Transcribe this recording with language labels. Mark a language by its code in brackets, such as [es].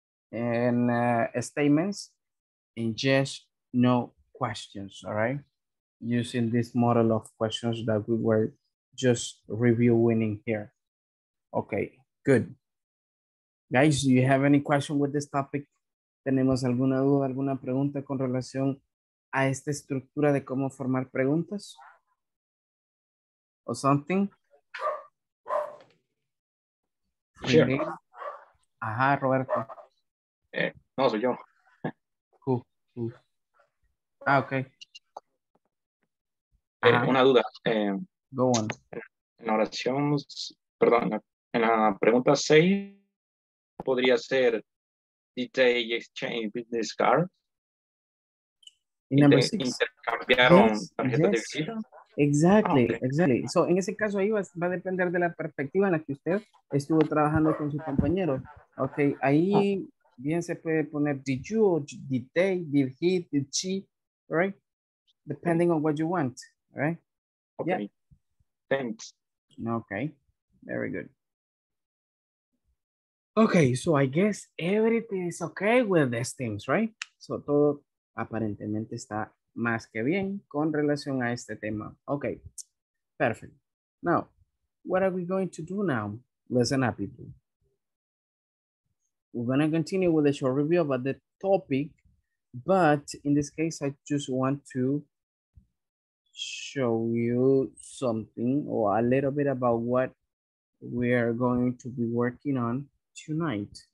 [en] And statements and just no questions, all right? Using this model of questions that we were just reviewing in here. Okay, good. Guys, do you have any question with this topic? [es] ¿Tenemos alguna duda, alguna pregunta con relación a esta estructura de cómo formar preguntas? [en] Or something? Sure. [es] Ajá, Roberto. No, soy yo. [en] Ah, okay. [es] Una duda. [en] Go on. [es] En la oración, perdón, en la pregunta 6, ¿podría ser [en] did they exchange business cards? [es] ¿Y number 6? ¿Intercambiaron tarjetas de visita? [en] Exactly, exactly. [es] So, en ese caso ahí va a depender de la perspectiva en la que usted estuvo trabajando con su compañero. Okay, ahí bien se puede poner [en] did you, or did they, did he, did she, right? Depending on what you want, right? Okay. Yeah. Thanks. Okay, very good. Okay, so I guess everything is okay with these things, right? [es] So, todo aparentemente está más que bien con relación a este tema. [en] Okay, perfect. Now, what are we going to do now? Listen up, people. We're gonna continue with a short review about the topic, but in this case, I just want to show you something or a little bit about what we are going to be working on tonight.